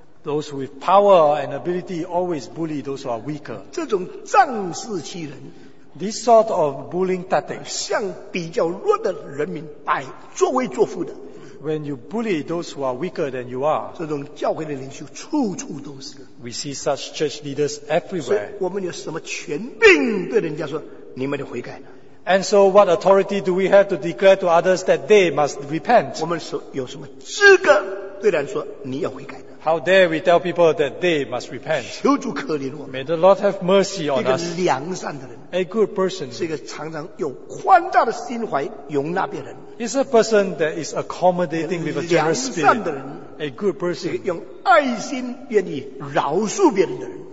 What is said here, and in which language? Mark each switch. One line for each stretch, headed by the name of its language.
English: Those with power and ability always bully those who are weaker.
Chinese: 这种仗势欺人。
English: This sort of bullying tactic.
Chinese: 向比较弱的人民摆作威作福的。
English: When you bully those who are weaker than you are,
Chinese: 这种教会的领袖处处都是,
English: we see such church leaders everywhere.
Chinese: 所以我们有什么权柄对人家说, 你们得悔改。
English: And so what authority do we have to declare to others that they must repent?
Chinese: 我们有什么资格对人说, 你要悔改。
English: How dare we tell people that they must repent?
Chinese: 求主可怜我们,
English: may the Lord have mercy on us.
Chinese: 一个良善的人,
English: a good person.
Chinese: 是一个常常有宽大的心怀容纳别人,
English: is a person that is accommodating with a generous spirit. A good person.
Chinese: 是一个用爱心愿意饶恕别人的人,